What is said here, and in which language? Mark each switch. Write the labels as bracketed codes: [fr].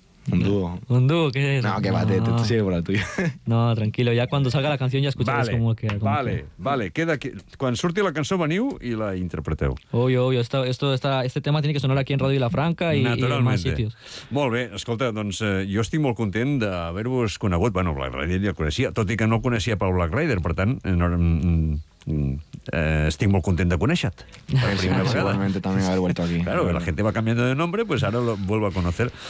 [es] ¿Un dúo? ¿Qué es eso? No, que va, tú sigue por la tuya. No, tranquilo, ya cuando salga la canción ya escucharás vale, cómo queda. Vale, queda aquí. Cuando surti la canción, veniu y [ca] la interpreteu. [es] Obvio, este tema tiene que sonar aquí en Radio Vilafranca y en más sitios. [ca] Molt bé, escolta, doncs jo estic molt content d'haver-vos conegut. Bueno, Black Raider ja el coneixia, tot i que no coneixia Paul Black Raider, per tant... estic molt content de conèixer-te. Igualment, també [es] haver vuelto aquí. Claro, la gente va cambiando de nombre, pues ahora lo vuelvo a conocer.